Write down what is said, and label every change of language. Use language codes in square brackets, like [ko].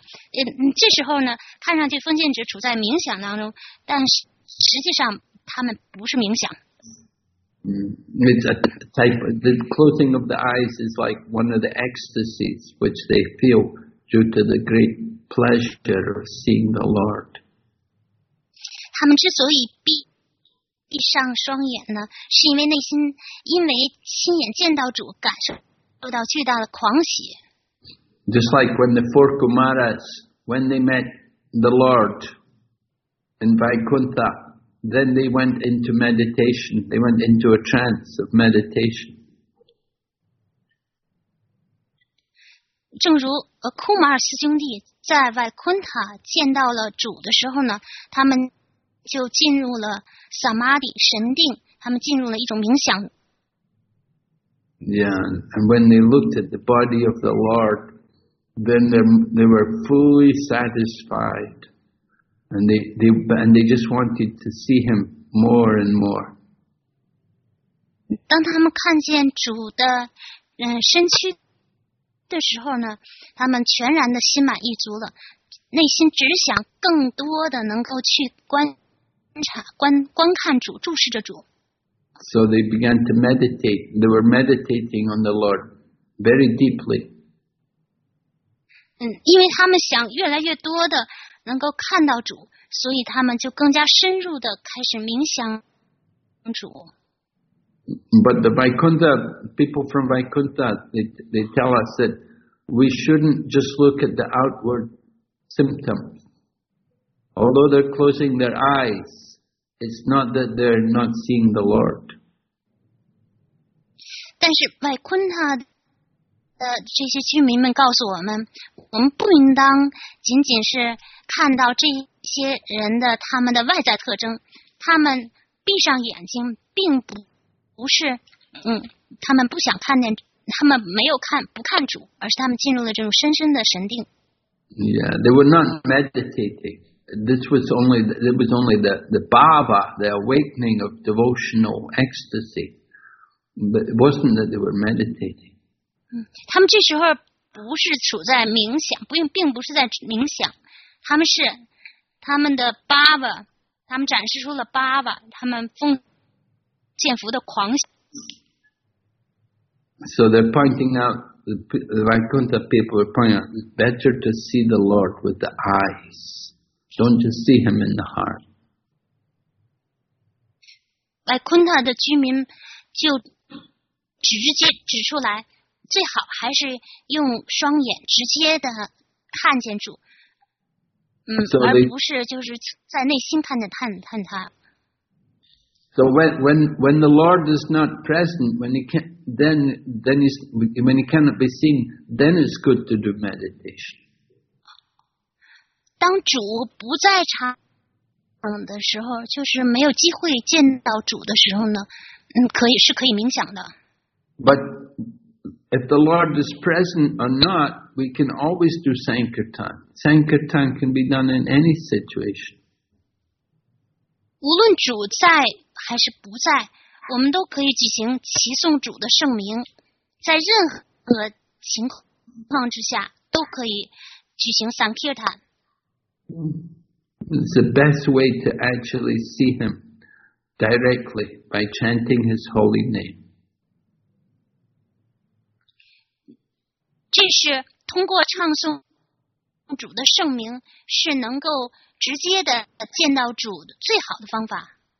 [zh] 这时候呢，看上去奉献者处在冥想当中，但实际上他们不是冥想。 [en] It's a type of, the closing of the eyes is like one of the ecstasies which they feel due to the great pleasure of seeing the Lord. [zh] 他们之所以闭上双眼呢，是因为内心因为亲眼见到主，感受到巨大的狂喜。 [en] Just like when the four Kumaras, when they met the Lord in Vaikuntha, then they went into meditation. They went into a trance of meditation. [zh] 正如库马尔斯兄弟在外昆塔见到了主的时候呢，他们就进入了萨玛底神定，他们进入了一种冥想。 [en] Yeah, and when they looked at the body of the Lord, then they were fully satisfied, and they just wanted to see him more and more. [zh] 当他们看见主的身躯的时候呢，他们全然的心满意足了，内心只想更多的能够去观。观看主，注视着主。 [en] So they began to meditate. They were meditating on the Lord very deeply. [zh] 因为他们想越来越多的能够看到主，所以他们就更加深入的开始冥想主。 [en] But the Vaikuntha, people from Vaikuntha, they tell us that we shouldn't just look at the outward symptoms. Although they're closing their eyes,It's not that they're not seeing the Lord. [zh] 但是外昆塔的这些居民们告诉我们，我们不应当仅仅是看到这些人的他们的外在特征。他们闭上眼睛，并不是他们不想看见，他们没有看不看主，而是他们进入了这种深深的神定。 [en] Yeah, they were not meditating. This was only, it was only the bhava, the awakening of devotional ecstasy. But it wasn't that they were meditating. [zh] 他们这时候不是处在冥想，并不是在冥想。他们是他们的 bhava, 他们展示出了 bhava, 他们奉献佛的狂喜。 [en] So they're pointing out, the Vaikuntha people are pointing out, it's better to see the Lord with the eyes. Don't just see him in the heart. [zh] 外昆塔的居民就直接指出来，最好还是用双眼直接的看见主，而不是就是在内心看他。 [en] So when the Lord is not present, when he cannot be seen, then it's good to do meditation. [zh] 当主不在场的时候，就是没有机会见到主的时候呢，可以冥想的。 [en] But if the Lord is present or not, we can always do sankirtan. Sankirtan can be done in any situation. [zh] 无论主在还是不在，我们都可以举行齐诵主的圣名，在任何情况之下都可以举行 sankirtan。 [en] It's the best way to actually see him directly by chanting his holy name. [zh] 这是通过唱诵主的圣名，是能够直接的见到主的最好的方法。